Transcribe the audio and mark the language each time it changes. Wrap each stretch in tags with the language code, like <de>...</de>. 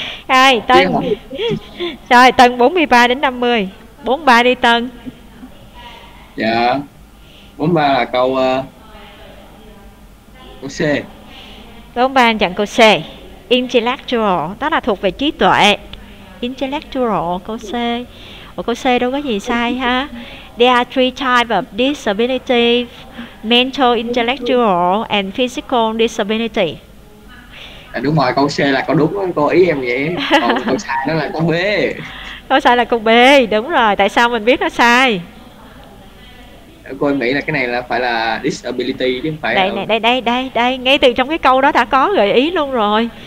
<vi>Rồi, Tân. Rồi, Tân 43 đến 50. 43 đi Tân. Dạ, 43 là câu câu C. 43 anh chọn câu C. Intellectual, đó là thuộc về trí tuệ. Intellectual, câu C. Ủa, câu C đâu có gì sai ha.</vi> <en>There are three types of disability: mental, intellectual and physical disability.</en> <vi>À, đúng rồi, câu C là câu đúng, câu ý em vậy. Câu sai nó là câu B. Câu sai là câu B, đúng rồi. Tại sao mình biết nó sai? Cô em nghĩ là cái này là phải là disability chứ không phải đây là... này đây ngay từ trong cái câu đó đã có gợi ý luôn rồi.</vi>